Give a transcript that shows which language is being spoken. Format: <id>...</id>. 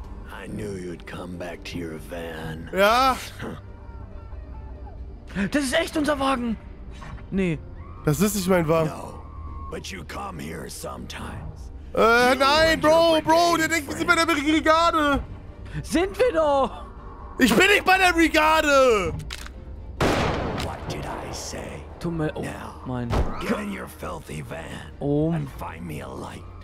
<en>I knew you'd come back to your van.</en> <de>Ja. Das ist echt unser Wagen. Nee. Das ist nicht mein Wagen.</de> <en>No, but you come here sometimes.</en> <de>Nein, Bro, Bro, der denkt, wir sind bei der Brigade. Sind wir doch. Ich bin nicht bei der Brigade.</de> <en>What did I say? Tu mir, oh, now, mein. Get in your filthy van oh. And find me a light.</en>